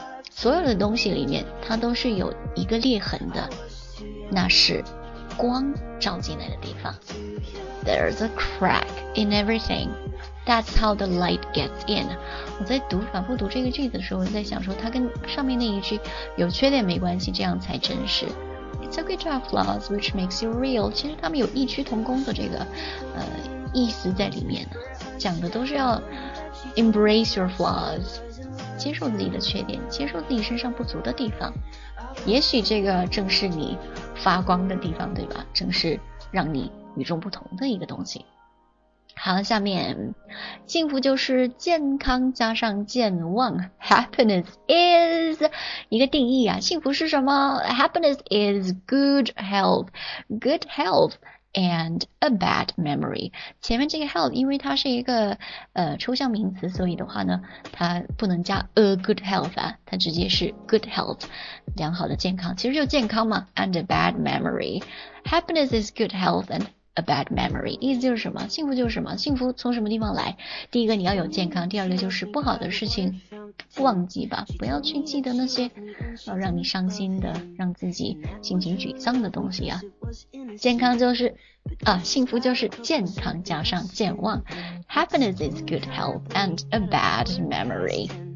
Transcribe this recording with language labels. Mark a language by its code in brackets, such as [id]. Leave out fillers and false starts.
[zh] 所有的东西里面它都是有一个裂痕的，那是光照进来的地方。 [en] There's a crack in everything. That's how the light gets in. [zh] 我在读反复读这个句子的时候，我在想说它跟上面那一句有缺点没关系，这样才真实。 [en] It's okay to have flaws, which makes you real. [zh] 其实他们有异曲同工的这个意思在里面呢，讲的都是要 embrace your flaws，接受自己的缺点，接受自己身上不足的地方。也许这个正是你发光的地方，对吧？正是让你与众不同的一个东西。好，下面幸福就是健康加上健忘。 Happiness is 一个定义啊，幸福是什么？ [en] Happiness is good health and a bad memory. [zh] 前面这个 health 因为它是一个抽象名词，所以的话呢它不能加 a good health 啊，它直接是 good health， 良好的健康，其实就健康嘛。 [en] And a bad memory. Happiness is good health andA bad memory，意思就是什么？幸福就是什么？ [zh] 幸福从什么地方来？第一个你要有健康，第二个就是不好的事情忘记吧，不要去记得那些让你伤心的、让自己心情沮丧的东西啊。健康就是幸福就是健康加上健忘。 [en] Happiness is good health and a bad memory。